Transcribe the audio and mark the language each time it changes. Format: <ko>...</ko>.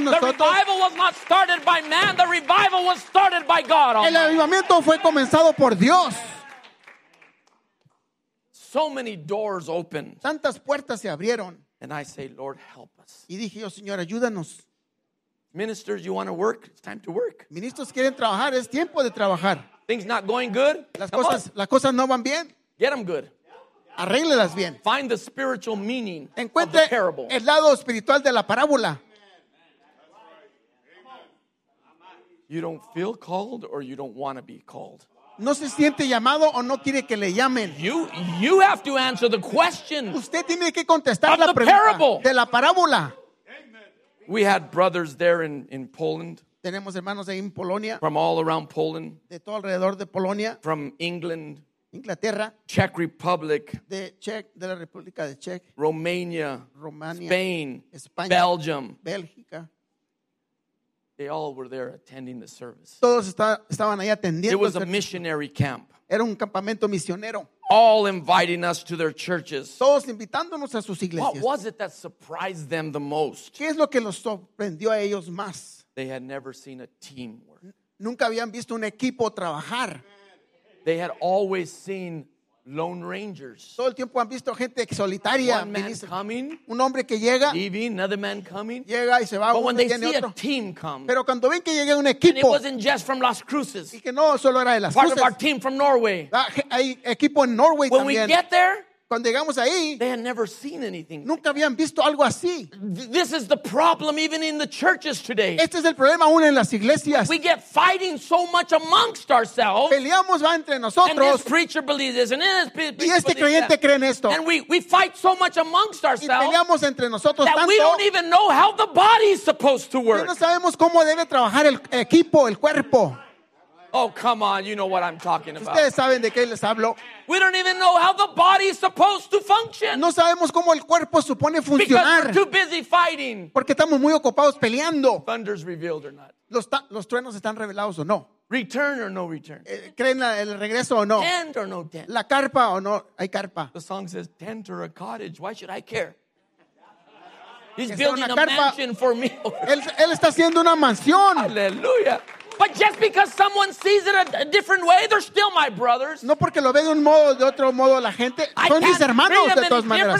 <en>nosotros. The revival was not started by man. The revival was started by God.</en> <es>El avivamiento fue comenzado por Dios.</es> <en>So many doors open.</en> <es>Tantas puertas se abrieron.</es> <en>And I say, Lord, help us.</en> <es>Y dije yo, Señor, ayúdanos.</es> <en>Ministers, you want to work? It's time to work.</en> <es>Ministros quieren trabajar. Es tiempo de trabajar.</es> <en>Things not going good?</en> <es>Las cosas no van bien.</es> <en>Get them good.</en> <es>Arréglelas bien.</es> <en>Find the spiritual meaning</en> <es>Encuentre</es> <en>of the parable.</en> <es>El lado espiritual de la parábola.</es> <en>You don't feel called or you don't want to be called.</en> <es>No se siente llamado o no quiere que le llamen.</es> <en>You have to answer the question.</en> <es>Usted tiene que contestar la pregunta de la parábola.</es> <en>We had brothers there in Poland.</en> <es>Tenemos hermanos ahí en Polonia.</es> <en>From all around Poland.</en> <es>De todo alrededor de Polonia.</es> <en>From England.</en> <es>Inglaterra.</es> <en>Czech Republic.</en> <es>De la República de Czech.</es> <en>Romania.</en> <es>Romania.</es> <en>Spain.</en> <es>España.</es> <en>Belgium.</en> <es>Bélgica.</es> <en>They all were there attending the service.</en> <es>Todos estaban ahí atendiendo.</es> <en>It was a missionary camp.</en> <es>Era un campamento misionero.</es> <en>All inviting us to their churches.</en> <es>Todos invitándonos a sus iglesias.</es> <en>What was it that surprised them the most?</en> <es>¿Qué es lo que los sorprendió a ellos más?</es> <en>They had never seen a team work.</en> <es>Nunca habían visto un equipo trabajar.</es> <en>They had always seen lone rangers.</en> <es>Todo el tiempo han visto gente solitaria.</es> <en>One man coming.</en> <es>Un hombre que llega.</es> <en>Leaving, another man coming.</en> <es>Llega y se va.</es> <en>But when they see a team come.</en> <es>Pero cuando ven que llega un equipo.</es> <en>And it wasn't just from Las Cruces.</en> <es>Y que no solo era de Las</es> <en>Part</en> <es>Cruces.</es> <en>Part of our team from Norway.</en> <es>Hay equipo en Norway</es> <en>when</en> <es>también.</es> <en>When we get there.</en> <es>Cuando llegamos ahí.</es> <en>They had never seen anything.</en> <es>Nunca habían visto algo así.</es> <en>This is the problem even in the churches today.</en> <es>Este es el problema aún en las iglesias.</es> <en>We get fighting so much amongst ourselves.</en> <es>Peleamos va entre nosotros.</es> <en>And this preacher believes this. And this</en> <es>y este creyente cree en esto.</es> <en>And we fight so much amongst ourselves.</en> <es>Y peleamos entre nosotros</es> <en>that</en> <es>tanto.</es> <en>That we don't even know how the body is supposed to work.</en> <es>Que no sabemos cómo debe trabajar el equipo, el cuerpo.</es> <en>Oh, come on, you know what I'm talking about.</en> <es>Ustedes saben de qué les hablo.</es> <en>We don't even know how the body is supposed to function.</en> <es>No sabemos cómo el cuerpo supone funcionar.</es> <en>Because we're too busy fighting.</en> <es>Porque estamos muy ocupados peleando.</es> <en>Thunder's revealed or not.</en> <es>Los truenos están revelados o no.</es> <en>Return or no return.</en> <es>¿Creen el regreso o no?</es> <en>Tent or no tent.</en> <es>La carpa o no, hay carpa.</es> <en>The song says tent or a cottage. Why should I care? He's building a mansion for me.</en> <es>Él está haciendo una mansión. Aleluya.</es> <en>But just because someone sees it a different way, they're still my brothers.</en> <es>No porque lo ve de un modo de otro modo la gente, son mis hermanos de todas maneras.</es>